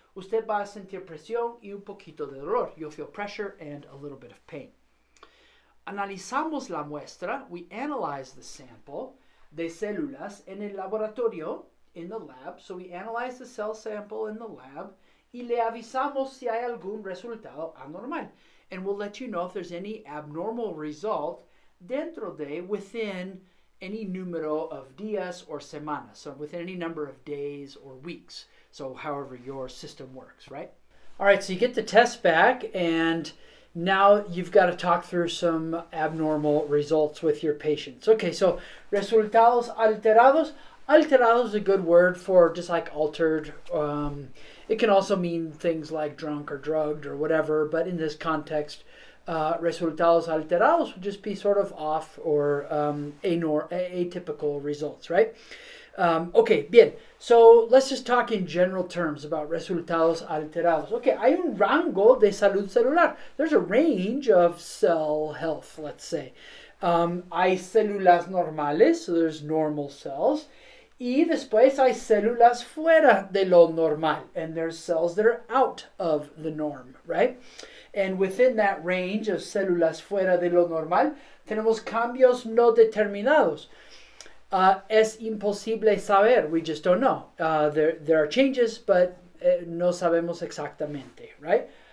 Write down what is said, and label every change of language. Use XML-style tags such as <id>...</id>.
<es>Usted va a sentir presión y un poquito de dolor.</es> <en>You'll feel pressure and a little bit of pain.</en> <es>Analizamos la muestra.</es> <en>We analyze the sample</en> <es>de células en el laboratorio,</es> <en>in the lab. So we analyze the cell sample in the lab.</en> <es>Y le avisamos si hay algún resultado anormal.</es> <en>And we'll let you know if there's any abnormal result</en> <es>dentro de,</es> <en>within, any numero of días or semanas, so within any number of days or weeks, so however your system works, right? All right, so you get the test back, and now you've got to talk through some abnormal results with your patients. Okay, so resultados alterados. Alterados is a good word for just like altered. It can also mean things like drunk or drugged or whatever, but in this context, resultados alterados would just be sort of off or atypical results, right? Okay, bien. So let's just talk in general terms about resultados alterados. Okay,</en> <es>hay un rango de salud celular.</es> <en>There's a range of cell health, let's say.</en> <es>Hay células normales,</es> <en>so there's normal cells.</en> <es>Y después hay células fuera de lo normal.</es> <en>And there's cells that are out of the norm, right? And within that range of</en> <es>células fuera de lo normal, tenemos cambios no determinados. Es imposible saber.</es> <en>We just don't know. There are changes, but</en> <es>no sabemos exactamente,</es> <en>right?</en>